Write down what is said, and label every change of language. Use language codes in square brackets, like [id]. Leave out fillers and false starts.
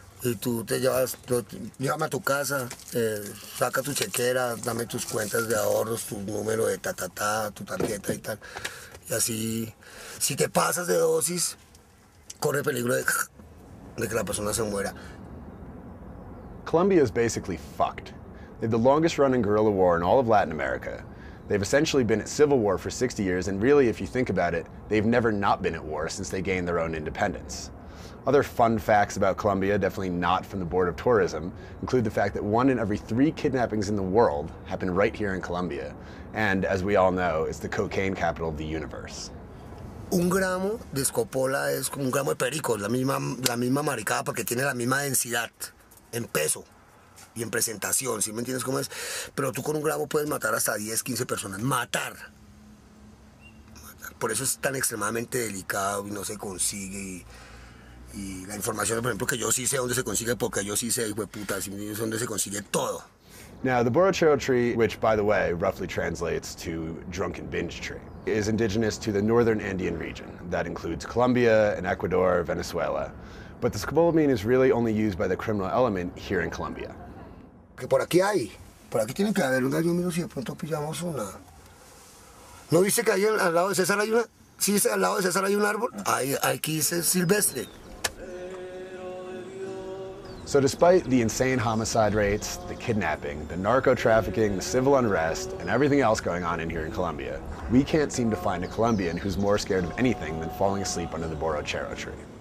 [es] Y tú te llevas, llévame a tu casa, saca tu chequera, dame tus cuentas de ahorros, tu número de ta-ta-ta, tu tarjeta y tal. Y así, si te pasas de dosis, corre peligro de que la persona se muera. [en] Colombia is basically fucked. They have the longest running guerrilla war in all of Latin America. They've essentially been at civil war for 60 years, and really, if you think about it, they've never not been at war since they gained their own independence. Other fun facts about Colombia, definitely not from the Board of Tourism, include the fact that one in every three kidnappings in the world happen right here in Colombia. And as we all know, it's the cocaine capital of the universe. [es] Un gramo de escopola es como un gramo de perico, la misma maricada, porque tiene la misma densidad en peso y en presentación, ¿sí me entiendes cómo es? Pero tú con un gramo puedes matar hasta 10, 15 personas. Matar. Por eso es tan extremadamente delicado y no se consigue. Y la información, por ejemplo, que yo sí sé dónde se consigue, porque yo sí sé, hijo de puta, dónde se consigue todo. [en] Now, the borrachero tree, which, by the way, roughly translates to drunken binge tree, is indigenous to the northern Andean region. That includes Colombia and Ecuador, Venezuela. But the scopolamine is really only used by the criminal element here in Colombia. [es] Que por aquí hay. Por aquí tiene que haber un gallo mío si de pronto pillamos una. ¿No viste que ahí al lado de César hay una? Sí, al lado de César hay un árbol. Ahí aquí dice silvestre. [en] So despite the insane homicide rates, the kidnapping, the narco trafficking, the civil unrest, and everything else going on in here in Colombia, we can't seem to find a Colombian who's more scared of anything than falling asleep under the borrachero tree.